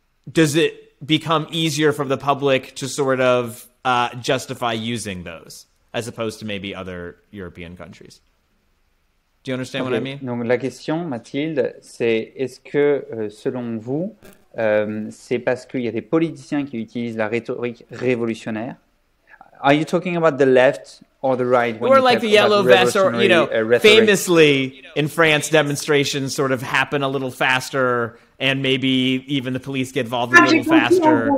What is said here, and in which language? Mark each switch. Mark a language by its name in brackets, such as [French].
[English] Does it become easier for the public to sort of justify using those as opposed to maybe other European countries? Do you understand what I mean? [French] Donc la question, Mathilde, c'est est-ce que selon vous, c'est parce qu'il y a des politiciens qui utilisent la rhétorique révolutionnaire? [English] Are you talking about the left or the right? When or like the yellow vests, or you know, famously in France, demonstrations sort of happen a little faster, and maybe even the police get involved a little faster.